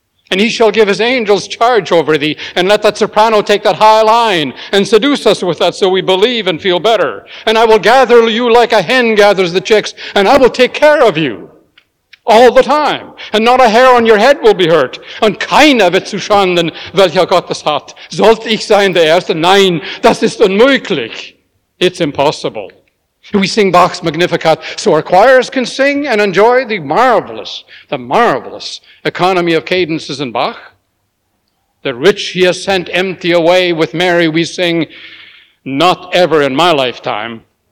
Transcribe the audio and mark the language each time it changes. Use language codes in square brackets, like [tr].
[en] And he shall give his angels charge over thee, and let that soprano take that high line, and seduce us with that so we believe and feel better. And I will gather you like a hen gathers the chicks, and I will take care of you all the time. And not a hair on your head will be hurt. [de] Und keiner wird zu schanden, welcher Gott es hat. Sollte ich sein der Erste? Nein, das ist unmöglich. [en] It's impossible. We sing Bach's Magnificat so our choirs can sing and enjoy the marvelous economy of cadences in Bach. The rich he has sent empty away with Mary, we sing, not ever in my lifetime.